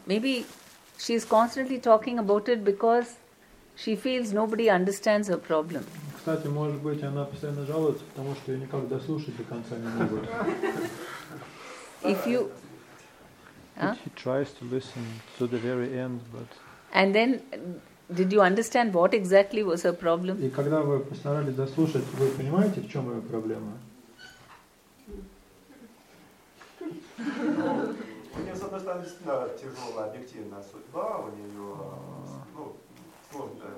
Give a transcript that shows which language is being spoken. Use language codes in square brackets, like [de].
[en] Maybe she is constantly talking about it because she feels nobody understands her problem. [ru] К Кстати, может быть, она постоянно жалуется, потому что ее никак дослушать до конца не могут. [en] If you, he tries to listen to the very end, but. And then, did you understand what exactly was her problem? [ru] И когда вы постарались дослушать, вы понимаете, в чем ее проблема? Мне, с одной стороны, тяжелая, объективная судьба, у нее, ну, сложная.